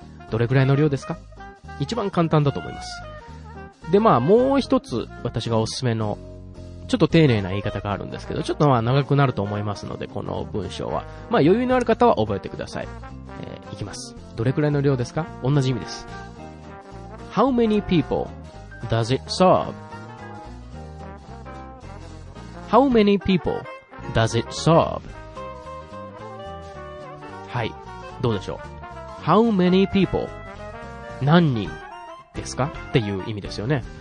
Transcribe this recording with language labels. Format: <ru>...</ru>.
<ja>どれくらいの量ですか?一番簡単だと思います。で、まあ、もう一つ私がおすすめの、ちょっと丁寧な言い方があるんですけど、ちょっとまあ長くなると思いますので、この文章は。まあ、余裕のある方は覚えてください。いきます。どれくらいの量ですか? 同じ意味です。</ja> <en>How many people does it serve? How many people does it serve?</en> <ja>はい、どうでしょう。</ja> <en>How many people</en> <ja>何人ですかっていう意味ですよね。</ja>